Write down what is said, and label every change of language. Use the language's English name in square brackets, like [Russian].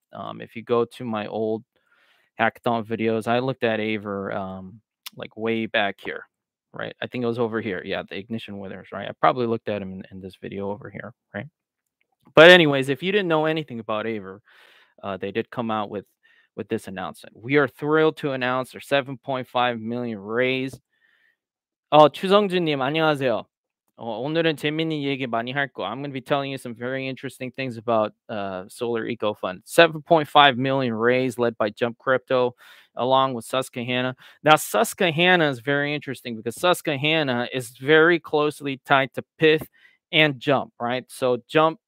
[English] If you go to my old hackathon videos, I looked at Aver like way back here, right? I think it was over here. Yeah, the Ignition Withers, right? I probably looked at him in this video over here, right? But anyways, if you didn't know anything about Aver, they did come out with this announcement. We are thrilled to announce our 7.5 million raise. [Korean] Oh, 추성준님, 안녕하세요. 오늘은 재미있는 얘기 많이 할 거. [English] I'm going to be telling you some very interesting things about Solar Eco Fund. 7.5 million raise led by Jump Crypto along with Susquehanna. Now, Susquehanna is very interesting because Susquehanna is very closely tied to Pith and Jump, right? So Jump